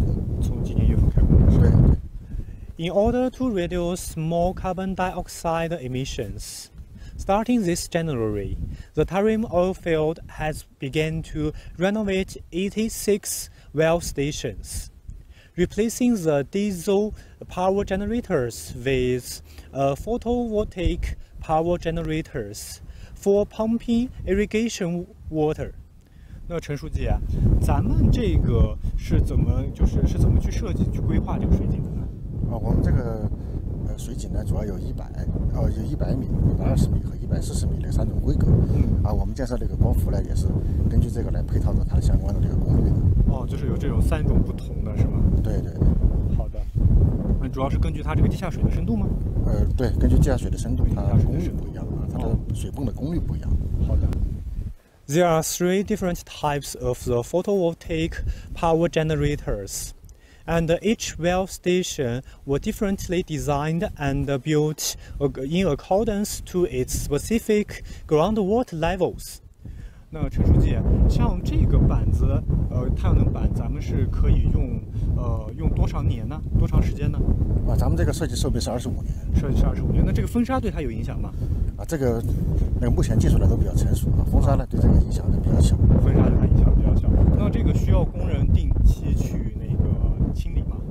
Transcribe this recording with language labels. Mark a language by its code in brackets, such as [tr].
[zh] 我们这次项目呢，改造是86口水井，从今年1月份开工。 [en] In order to reduce more carbon dioxide emissions, starting this January, the Tarim oil field has begun to renovate 86 well stations, replacing the diesel power generators with photovoltaic power generators for pumping irrigation water. [zh] 那陈书记啊，咱们这个是怎么去设计、去规划这个水井的呢？我们这个水井呢，主要有100米、120米、140米的三种规格。我们建设这个光伏呢，也是根据这个来配套的它的相关的这个功率的。就是有这种三种不同的是吗？对对。好的。那主要是根据它这个地下水的深度吗？对，根据地下水的深度，它功率不一样啊，它的水泵的功率不一样。好的。 [en] There are three different types of the photovoltaic power generators. And each well station were differently designed and built in accordance to its specific groundwater levels. [zh] 那陈书记，像这个板子，太阳能板，咱们是可以用用多长年呢？多长时间呢？啊，咱们这个设计设备是25年。设计是25年，那这个风沙对它有影响吗？啊，这个那个目前技术呢都比较成熟啊，风沙呢对这个影响呢比较小。风沙对它影响比较小。那这个需要工人定期去那个清理吗？